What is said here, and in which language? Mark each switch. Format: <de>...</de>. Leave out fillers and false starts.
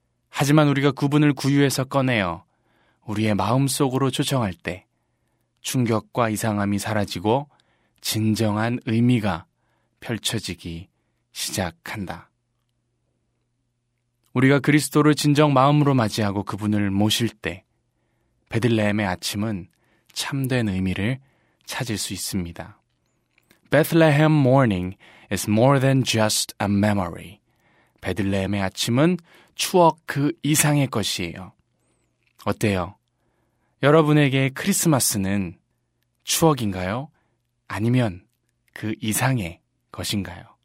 <ko>하지만 우리가 그분을 구유에서 꺼내어 우리의 마음속으로 초청할 때 충격과 이상함이 사라지고 진정한 의미가 펼쳐지기 시작한다. 우리가 그리스도를 진정 마음으로 맞이하고 그분을 모실 때 베들레헴의 아침은 참된 의미를 찾을 수 있습니다.</ko> <en>Bethlehem morning is more than just a memory.</en> <ko>베들레헴의 아침은 추억 그 이상의 것이에요. 어때요? 여러분에게 크리스마스는 추억인가요? 아니면 그 이상의 것인가요?</ko>